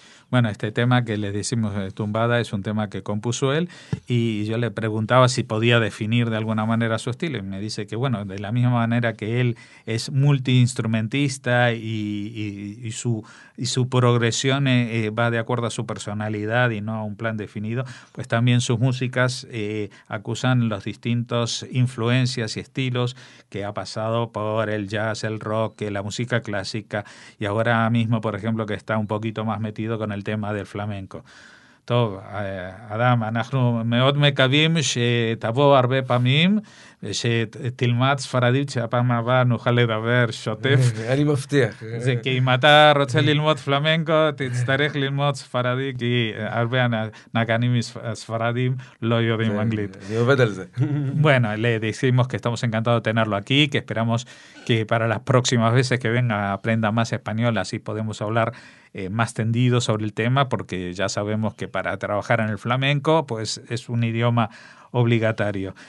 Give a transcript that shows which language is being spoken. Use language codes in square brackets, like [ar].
[es] Bueno, este tema que le decimos Tumbada es un tema que compuso él y yo le preguntaba si podía definir de alguna manera su estilo y me dice que bueno, de la misma manera que él es multiinstrumentista y su progresión va de acuerdo a su personalidad y no a un plan definido, pues también sus músicas acusan los distintos influencias y estilos que ha pasado por el jazz, el rock, la música clásica y ahora mismo, por ejemplo, que está un poquito más metido con el tema del flamenco. [he] טוב, אדם, אנחנו מאוד מקווים שתבוא הרבה פעמים, שתלמד ספרדית, שהפעם הבאה נוכל לדבר שוטף. אני מבטיח. זה כי אם אתה רוצה ללמוד פלמנקו, תצטרך ללמוד ספרדית, כי הרבה נגנים ספרדים לא יודעים אנגלית. אני עובד על זה. [es] Bueno, le decimos que estamos encantados de tenerlo aquí, que esperamos que para las próximas veces que venga aprenda más español, así podemos hablar más tendido sobre el tema, porque ya sabemos que para trabajar en el flamenco pues es un idioma obligatorio.